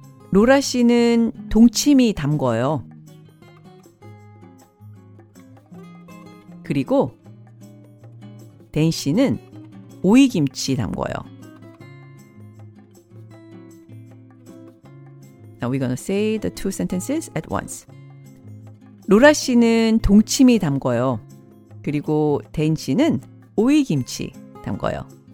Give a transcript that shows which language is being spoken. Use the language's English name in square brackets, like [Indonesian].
[Korean] 로라 씨는 동치미 담궈요. 그리고 댄 씨는 오이 김치 담궈요. [English] Now we're going to say the two sentences at once. [Korean] 로라 씨는 동치미 담궈요. 그리고 댄 씨는 오이 김치 담궈요.